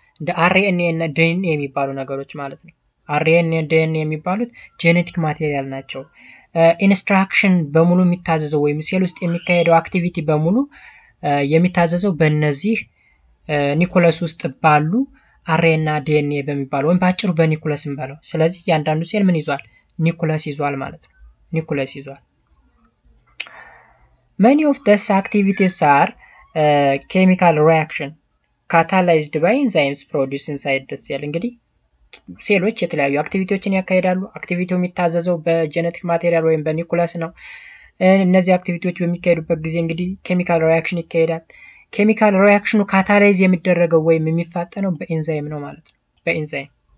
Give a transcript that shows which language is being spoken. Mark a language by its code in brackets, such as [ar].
[am] እንደ RNA እና DNA የሚባሉ ነገሮች ማለት ነው። RNA እና DNA የሚባሉት ጄኔቲክ ማቴሪያል ናቸው። instruction በሙሉ የሚታዘዘው ወይም ሴል ውስጥ የሚካሄደው activity በሙሉ የሚታዘዘው በእነዚህ ኒኮለስ ውስጥ ባሉ አሬና ዲኤንኤ በሚባለው ወይም በአጭሩ በኒኮለስ እንበለው። ስለዚህ ያንዳንዱ ሴል ምን ይዟል? ኒኮለስ ይዟል ማለት ነው። ኒኮለስ ይዟል። [en] Many of these activities are chemical reaction catalyzed by enzymes produced inside the cell. [am] እንግዲህ ሴሎች የተለያዩ አክቲቪቲዎችን ያካሄዳሉ። አክቲቪቲው የሚታዘዘው በጄኔቲክ ማቴሪያል ወይም በኒኮለስ ነው። እነዚህ አክቲቪቲዎች በሚካሄዱበት ጊዜ እንግዲህ ኬሚካል ሪአክሽን ይካሄዳል። ኬሚካል ሪአክሽኑ ካታላይዝ የሚደረገው ወይም የሚፈጠነው በኤንዛይም ነው ማለት ነው። በኤንዛይም